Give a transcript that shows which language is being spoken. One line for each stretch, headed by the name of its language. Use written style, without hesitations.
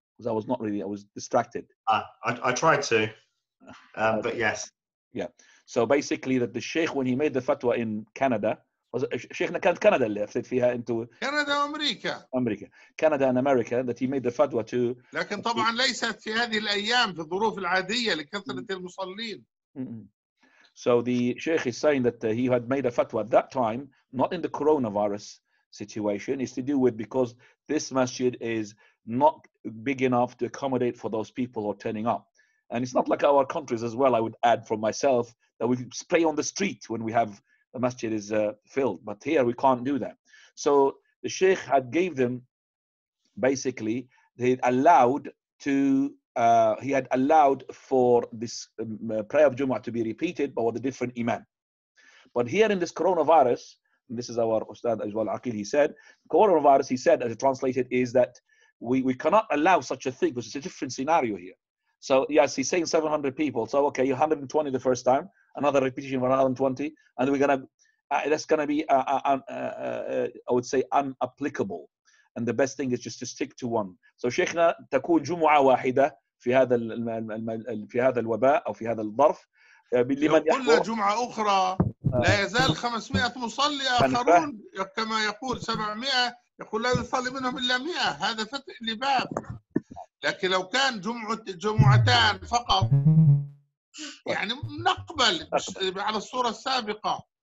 English: Because I was not really, I was distracted. I tried to, but yes. Yeah. So basically that the Sheikh, when he made the fatwa in Canada, was Sheikh Nakant Canada left it fiha into... Canada, America. America. Canada and America, that he made the fatwa to...
Arabic: لكن طبعا ليست في هذه الأيام في الظروف العادية لكثرة المصلين.
English: So the Sheikh is saying that he had made a fatwa at that time, not in the coronavirus situation, is to do with because this masjid is not big enough to accommodate for those people who are turning up. And it's not like our countries as well, I would add for myself, that we pray on the street when we have the masjid is filled. But here we can't do that. So the Sheikh had gave them, basically, they allowed to, he had allowed for this prayer of Jumu'ah to be repeated by the different imam. But here in this coronavirus, and this is our Ustad as well, Aqil, he said, coronavirus, he said, as it translated, is that we cannot allow such a thing, because it's a different scenario here. So, yes, he's saying 700 people. So, okay, 120 the first time, another repetition of 120, and we're going to, that's going to be, I would say, unapplicable. And the best thing is just to stick to one.
Arabic: So, Sheikhna, تكون جمعة واحدة في هذا في هذا الوباء أو في هذا الظرف. لمن يقول له جمعة أخرى لا يزال 500 مصلي آخرون كما يقول 700 يقول لا يصلي منهم إلا 100 هذا فتح لباب لكن لو كان جمعتان فقط يعني نقبل على الصورة السابقة